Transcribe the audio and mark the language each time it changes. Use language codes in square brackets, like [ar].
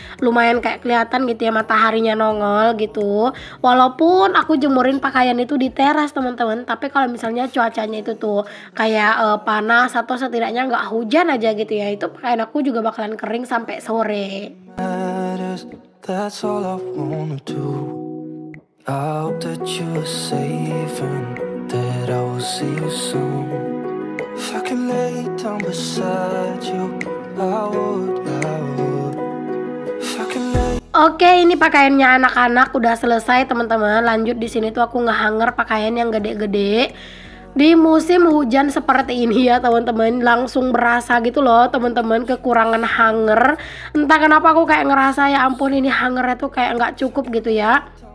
[id] Lumayan kayak kelihatan gitu ya mataharinya nongol gitu. Walaupun aku jemurin pakaian itu di teras teman-teman, tapi kalau misalnya cuacanya itu tuh kayak panas atau setidaknya nggak hujan aja gitu ya, itu pakaian aku juga bakalan kering sampai sore. [en] That's all I wanna do. I hope that you're safe and that I will see you soon. If I could lay down beside you, I would, I would. If I could lay. [id] Oke, ini pakaiannya anak-anak udah selesai teman-teman. Lanjut di sini tuh aku ngehanger pakaian yang gede-gede. Di musim hujan seperti ini ya teman-teman, langsung berasa gitu loh teman-teman kekurangan hanger. Entah kenapa aku kayak ngerasa ya ampun ini hangernya tuh kayak nggak cukup gitu ya.